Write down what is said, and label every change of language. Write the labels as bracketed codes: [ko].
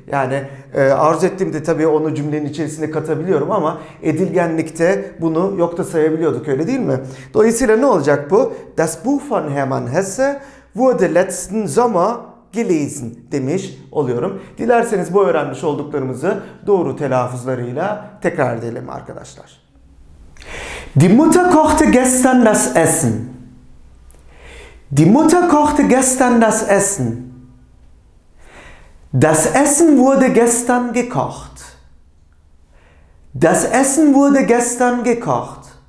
[tr] Yani arzu ettiğimde tabii onu cümlenin içerisine katabiliyorum ama edilgenlikte bunu yok da sayabiliyorduk, öyle değil mi? Dolayısıyla ne olacak bu? [de] Das Buffon Hermann Hesse wurde letzten Sommer gelesen [tr] demiş oluyorum. Dilerseniz bu öğrenmiş olduklarımızı doğru telaffuzlarıyla tekrar edelim arkadaşlar. [de] Die Mutter kochte gestern das Essen. Die Mutter kochte gestern das Essen. Das Essen wurde gestern gekocht. Das Essen wurde gestern gekocht.